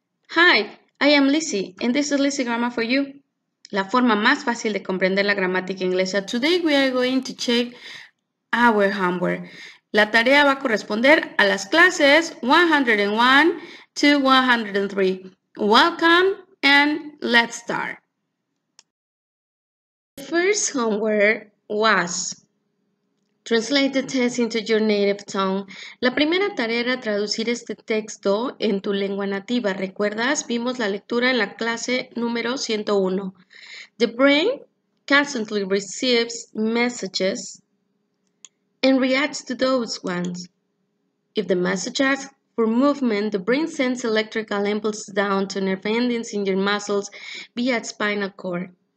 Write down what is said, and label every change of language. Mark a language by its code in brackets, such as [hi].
[en] Hi, I am Lizzie, and this is Lizzie Grammar for You. [es] La forma más fácil de comprender la gramática inglesa. [en] Today we are going to check our homework. [es] La tarea va a corresponder a las clases 101 to 103. [en] Welcome and let's start. The first homework was translate the test into your native tongue. [es] La primera tarea era traducir este texto en tu lengua nativa. ¿Recuerdas? Vimos la lectura en la clase número 101. [en] The brain constantly receives messages and reacts to those ones. If the message asks for movement, the brain sends electrical impulses down to nerve endings in your muscles via spinal cord.